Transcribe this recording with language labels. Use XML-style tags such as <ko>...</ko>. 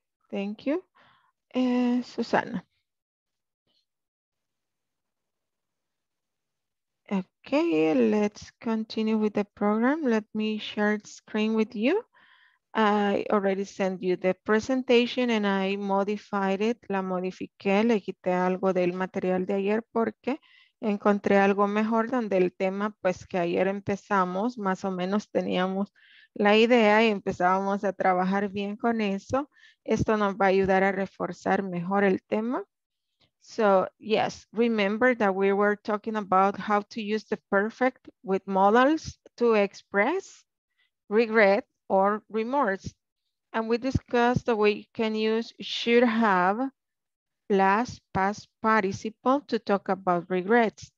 <en>Thank you. Susana. Okay, let's continue with the program. Let me share the screen with you. I already sent you the presentation and I modified it.</en> <es>La modifiqué, le quité algo del material de ayer porque encontré algo mejor donde el tema, pues que ayer empezamos, más o menos teníamos la idea y empezábamos a trabajar bien con eso. Esto nos va a ayudar a reforzar mejor el tema.</es> <en>So, yes, remember that we were talking about how to use the perfect with modals to express regret or remorse. And we discussed that we can use should have plus past participle to talk about regrets.</en>